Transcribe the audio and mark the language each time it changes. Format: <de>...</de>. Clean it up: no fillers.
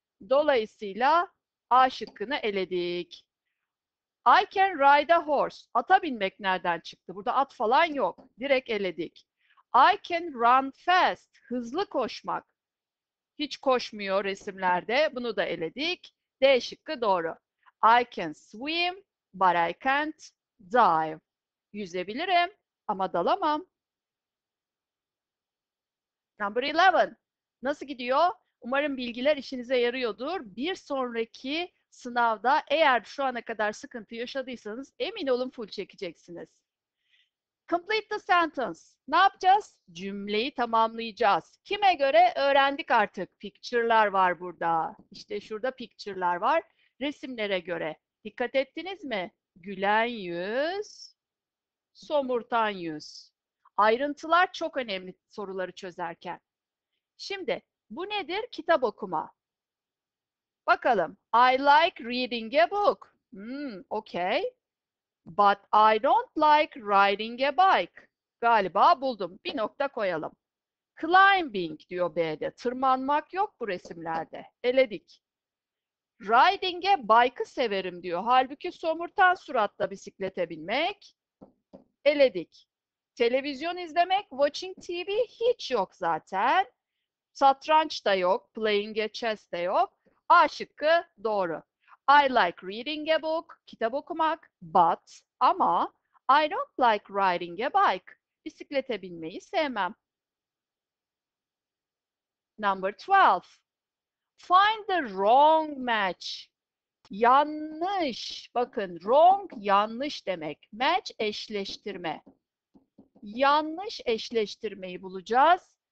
<tr>Dolayısıyla A şıkkını eledik.</tr> <en>I can ride a horse.</en> <tr>Ata binmek nereden çıktı? Burada at falan yok. Direkt eledik.</tr> <en>I can run fast.</en> <tr>Hızlı koşmak. Hiç koşmuyor resimlerde. Bunu da eledik. D şıkkı doğru.</tr> <en>I can swim, but I can't dive.</en> <tr>Yüzebilirim ama dalamam. Number 11. Nasıl gidiyor? Umarım bilgiler işinize yarıyordur. Bir sonraki sınavda eğer şu ana kadar sıkıntı yaşadıysanız emin olun full çekeceksiniz.</tr> <en>Complete the sentence.</en> <tr>Ne yapacağız? Cümleyi tamamlayacağız. Kime göre? Öğrendik artık. Picture'lar var burada. İşte şurada picture'lar var. Resimlere göre. Dikkat ettiniz mi? Gülen yüz, somurtan yüz. Ayrıntılar çok önemli soruları çözerken. Şimdi bu nedir? Kitap okuma. Bakalım.</tr> <en>I like reading a book. Okay. But I don't like riding a bike.</en> <tr>Galiba buldum. Bir nokta koyalım. Climbing diyor B'de. Tırmanmak yok bu resimlerde. Eledik. Riding a bike'ı severim diyor. Halbuki somurtan suratla bisiklete binmek. Eledik. Televizyon izlemek, watching TV hiç yok zaten. Satranç da yok, playing a chess de yok. A şıkkı doğru.</tr> <en>I like reading a book,</en> <tr>kitap okumak,</tr> <en>but</en> <tr>ama</tr> <en>I don't like riding a bike.</en> <tr>Bisiklete binmeyi sevmem.</tr> <en>Number 12. Find the wrong match.</en> <tr>Yanlış. Bakın wrong yanlış demek. Match eşleştirme. Yanlış eşleştirmeyi bulacağız.</tr>